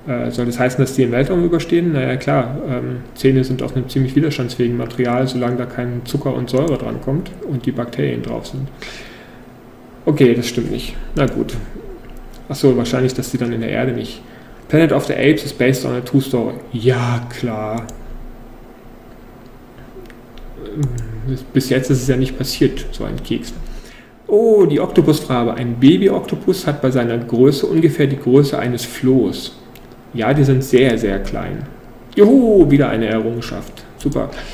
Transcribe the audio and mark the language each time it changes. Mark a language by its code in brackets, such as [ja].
[de] Soll das heißen, dass die im Weltraum überstehen? Naja, klar, Zähne sind auf einem ziemlich widerstandsfähigen Material, solange da kein Zucker und Säure dran kommt und die Bakterien drauf sind. Okay, das stimmt nicht. Na gut. Achso, wahrscheinlich, dass die dann in der Erde nicht. [en] Planet of the Apes is based on a true story. [de] Ja, klar. Bis jetzt ist es ja nicht passiert, so ein Keks. Oh, die Oktopusfarbe. Ein Baby-Oktopus hat bei seiner Größe ungefähr die Größe eines Flohs. Ja, die sind sehr, sehr klein. Juhu, wieder eine Errungenschaft. Super.